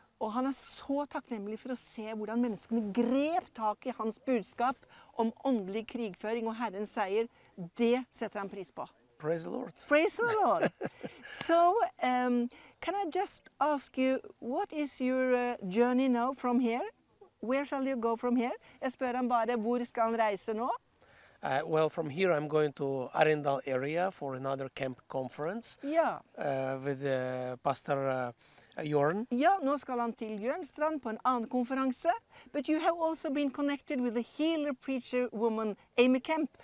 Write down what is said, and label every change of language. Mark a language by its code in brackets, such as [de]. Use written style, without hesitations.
[no] Og han så takknemlig for å se hvordan menneskene grep tak i hans budskap om åndelig krigføring og Herrens seier. Det setter han pris på. [en] Praise the Lord. Praise the Lord. So, can I just ask you, what is your journey now from here? Where shall you go from here? [no] Jeg spør han bare, hvor skal han reise nå? [en] Well, from here I'm going to Arendal area for another camp conference. [no] Ja. [en] With Pastor Jørn. [no] Ja, nå skal han til Jørnstrand på en annen konferanse. [en] But you have also been connected with the healer preacher woman Amy Kemp.